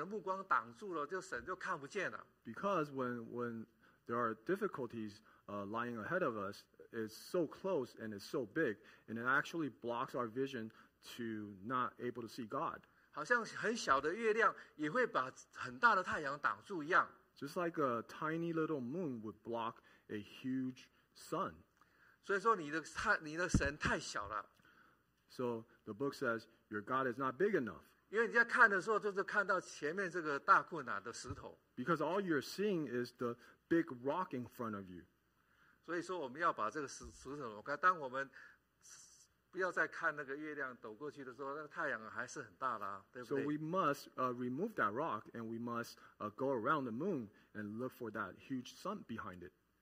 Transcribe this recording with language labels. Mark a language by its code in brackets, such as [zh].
[zh] 因为有时候我们看困难的时候，这个困难好像在我们的眼前很近嘛，困难好像神很远，那困难看得很近，他就把我们的目光挡住了，就神就看不见了。 [en] Because when there are difficulties lying ahead of us, it's so close and it's so big, and it actually blocks our vision to not able to see God. [zh] 好像很小的月亮也会把很大的太阳挡住一样。 [en] Just like a tiny little moon would block a huge sun. [zh] 所以说你的神太小了。 [en] So the book says your God is not big enough. [zh] 因为你在看的时候就是看到前面这个大困难的石头。 [en] Because all you're seeing is the big rock in front of you. [zh] 所以说我们要把这个石头挪开，当我们 不要再看那个月亮抖过去的时候，那个太阳还是很大的，对不对？ [en] So we must remove that rock, and we must go around the moon and look for that huge sun behind it.